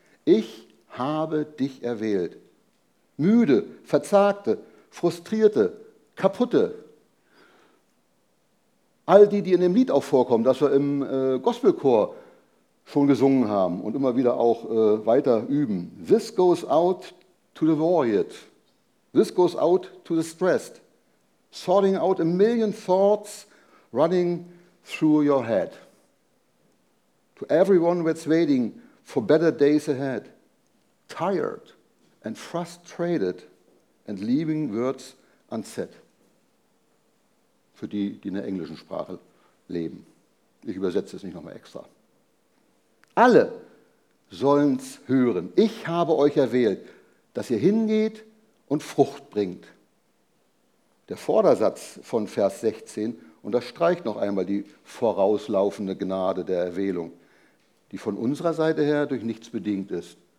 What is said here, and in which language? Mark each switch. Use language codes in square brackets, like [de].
[de] Ich habe dich erwählt. Müde, verzagte, Frustrierte, Kaputte, all die, die in dem Lied auch vorkommen, das wir im Gospelchor schon gesungen haben und immer wieder auch weiter üben. [en] This goes out to the warrior. This goes out to the stressed, sorting out a million thoughts running through your head. To everyone that's waiting for better days ahead, tired and frustrated and leaving words unsaid. [de] Für die, die in der englischen Sprache leben. Ich übersetze es nicht nochmal extra. Alle sollen's hören. Ich habe euch erwählt, dass ihr hingeht und Frucht bringt. Der Vordersatz von Vers 16 unterstreicht noch einmal die vorauslaufende Gnade der Erwählung, die von unserer Seite her durch nichts bedingt ist.